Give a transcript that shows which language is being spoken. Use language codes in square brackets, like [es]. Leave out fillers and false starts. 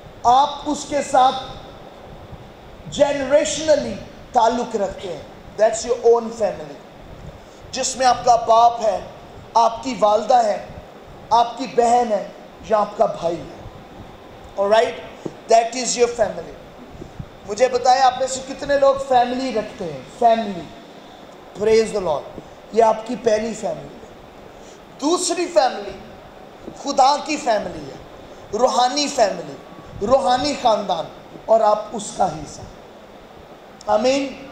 [ur] آپ اس کے ساتھ جنریشنلی تعلق رکھتے ہیں. دیٹس یور اون فیملی, جس میں آپ کا باپ ہے, آپ کی والدہ ہے, آپ کی بہن ہے یا آپ کا بھائی ہے. [en] Alright, that is your family. [ur] مجھے بتائیں آپ میں سے کتنے لوگ فیملی رکھتے ہیں. فیملی, پریز دا لارڈ, یہ آپ کی پہلی فیملی ہے. دوسری فیملی خدا کی فیملی ہے, روحانی فیملی, روحانی خاندان, اور آپ اس کا حصہ. آمین.